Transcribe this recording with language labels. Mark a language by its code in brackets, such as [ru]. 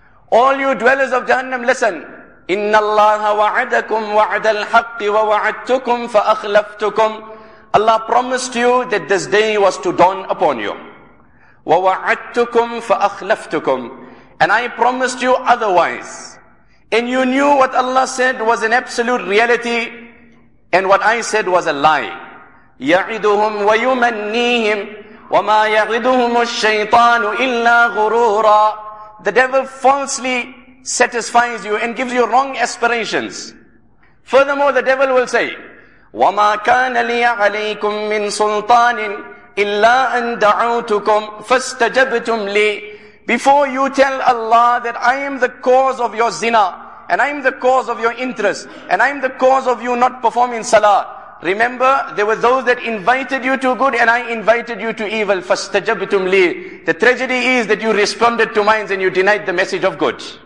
[en] All you dwellers of Jahannam, listen. [ar] إِنَّ اللَّهَ وَعَدَكُمْ وَعَدَ الْحَقِّ وَوَعَدْتُكُمْ فَأَخْلَفْتُكُمْ. [en] Allah promised you that this day was to dawn upon you. [ar] وَوَعَدْتُكُمْ فَأَخْلَفْتُكُمْ. [en] And I promised you otherwise. And you knew what Allah said was an absolute reality, and what I said was a lie. [ar] يَعِدُهُمْ وَيُمَنِّيهِمْ وَمَا يَعِدُهُمُ الشَّيْطَانُ إِلَّا غُرُورًا. [en] The devil falsely satisfies you and gives you wrong aspirations. Furthermore, the devil will say, [ar] وَمَا كَانَ لِيَ عَلَيْكُمْ مِنْ سُلْطَانٍ إِلَّا أَنْ دَعُوتُكُمْ فَاسْتَجَبْتُمْ لِي. [en] Before you tell Allah that I am the cause of your zina, and I am the cause of your interest, and I am the cause of you not performing salah, remember, there were those that invited you to good and I invited you to evil. [ar] فَاسْتَجَبْتُمْ لِي. [en] The tragedy is that you responded to mine and you denied the message of good.